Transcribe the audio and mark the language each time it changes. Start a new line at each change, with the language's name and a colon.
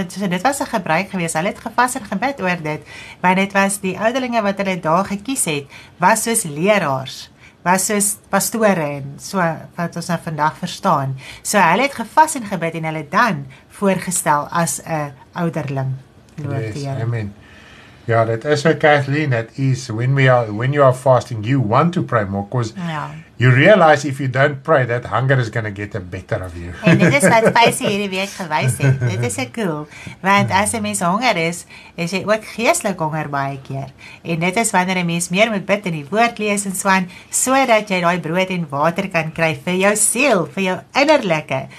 Afrikaans: So dit was 'n gebruik geweest. Hulle het gevas en gebid oor dit, want dit was die ouderlinge wat hulle daar gekies het, was soos leraars, was soos pastore en so wat ons nou vandag verstaan. So hulle het gevas en gebid en hulle dan voorgestel as 'n ouderling.
English: Yes, amen. Yeah, that is what Kathleen, that is when you are fasting, you want to pray more because you realize if you don't pray, that hunger is going to get the better of you.
Afrikaans: En dit is wat Paisie hierdie week gewys het. Dit is so cool. Want as 'n mens honger is, is jy ook geestelik honger baie keer. En dit is wanneer 'n mens meer moet bid en die woord lees en swan, so dat jy daai brood en water kan kry vir jou siel, vir jou innerlike.